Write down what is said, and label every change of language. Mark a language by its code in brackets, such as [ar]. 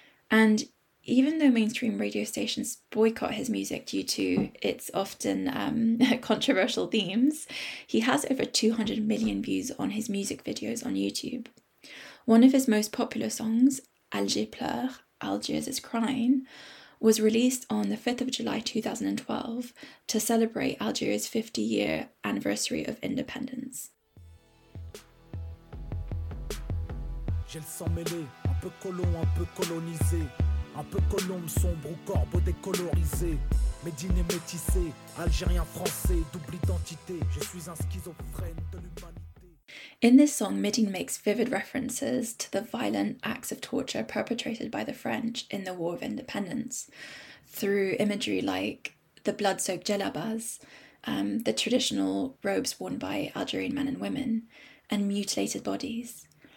[en] And even though mainstream radio stations boycott his music due to its often controversial themes, he has over 200 million views on his music videos on YouTube. One of his most popular songs, Alger Pleure, Algiers is Crying, was released on the 5th of July 2012 to celebrate Algeria's 50-year anniversary of independence. [fr] J'ai le sang mêlé, un peu colon, un peu colonisé. Un peu colombe sombre ou corbeau décolorisé. Médine et métissé, algérien français, double identité. Je suis un schizophrène de l'humanité. [en] In this song, Medine makes vivid references to the violent acts of torture perpetrated by the French in the War of Independence through imagery like the blood-soaked djellabas, the traditional robes worn by Algerian men and women, and mutilated bodies.